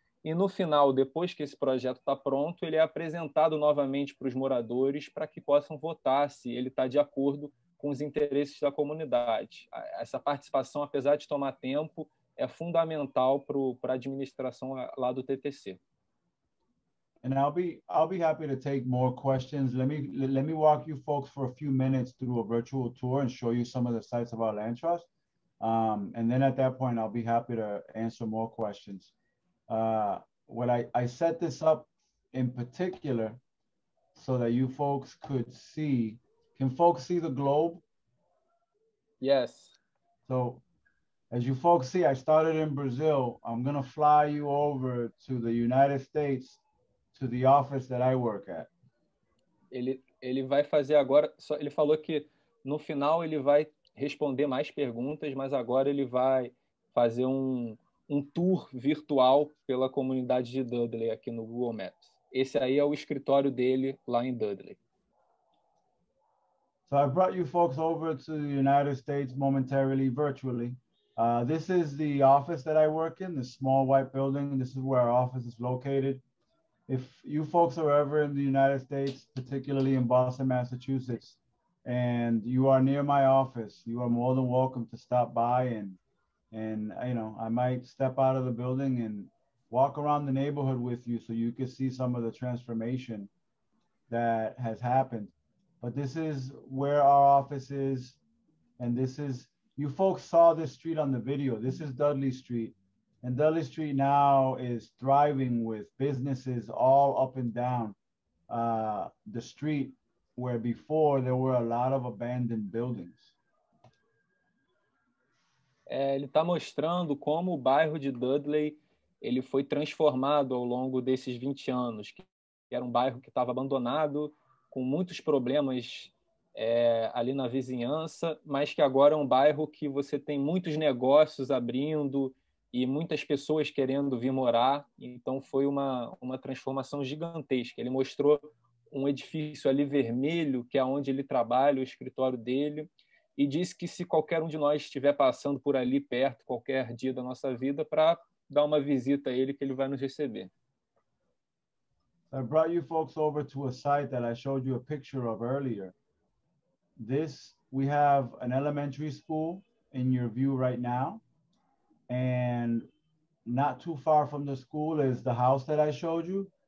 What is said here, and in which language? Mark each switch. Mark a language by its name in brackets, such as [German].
[Portuguese] E no final, depois que esse projeto está pronto, ele é apresentado novamente para os moradores para que possam votar se ele está de acordo com os interesses da comunidade. Essa participação, apesar de tomar tempo, é fundamental para a administração lá do TTC. [English] And I'll be happy to take more questions. Let me walk you folks for a few minutes through a virtual tour and show you some of the sites of our land trust. And then at that point, I'll be happy to answer more questions. I set this up in particular so that you folks could see. Can folks see the globe? Yes. So as you folks see, I started in Brazil. I'm going to fly you over to the United States to the office that I work at. [Portuguese] Ele vai fazer agora, só ele falou que no final ele vai responder mais perguntas, mas agora ele vai fazer um tour virtual pela comunidade de Dudley aqui no Google Maps. Esse aí é o escritório dele lá em Dudley. [English] So I brought you folks over to the United States momentarily, virtually. This is the office that I work in, the small white building. This is where our office is located. If you folks are ever in the United States, particularly in Boston, Massachusetts, and you are near my office, you are more than welcome to stop by and you know, I might step out of the building and walk around the neighborhood with you so you can see some of the transformation that has happened. But this is where our office is, and this is, you folks saw this street on the video. This is Dudley Street. And Dudley Street now is thriving with businesses all up and down the street where before there were a lot of abandoned buildings. [Portuguese] Ele está mostrando como o bairro de Dudley ele foi transformado ao longo desses 20 anos, que era um bairro que estava abandonado, com muitos problemas ali na vizinhança, mas que agora é um bairro que você tem muitos negócios abrindo, e muitas pessoas querendo vir morar, então foi uma transformação gigantesca. Ele mostrou um edifício ali vermelho, que é onde ele trabalha, o escritório dele, e disse que se qualquer um de nós estiver passando por ali perto, qualquer dia da nossa vida, para dar uma visita a ele, que ele vai nos receber. [English] I brought you folks over to a site that I showed you a picture of earlier. This, we have an elementary school in your view right now. And not too far from the school is the house that I showed you.